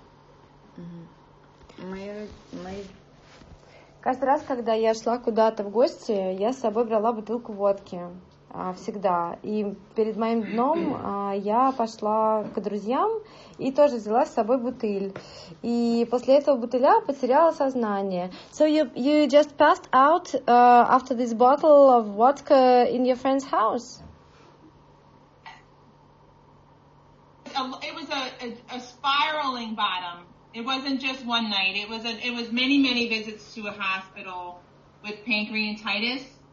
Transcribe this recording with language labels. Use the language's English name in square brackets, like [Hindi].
[English] Knew a lot of my visits to the hospital. [Russian] Каждый раз, когда я шла куда-то в гости, я с собой брала бутылку водки. Всегда. И перед моим днем я пошла к друзьям и тоже взяла с собой бутыль. И после этого бутыля потеряла сознание. [English] So you just passed out after this bottle of vodka in your friend's house? It was a spiraling bottom. It wasn't just one night. It was many, many visits to a hospital with pancreatitis.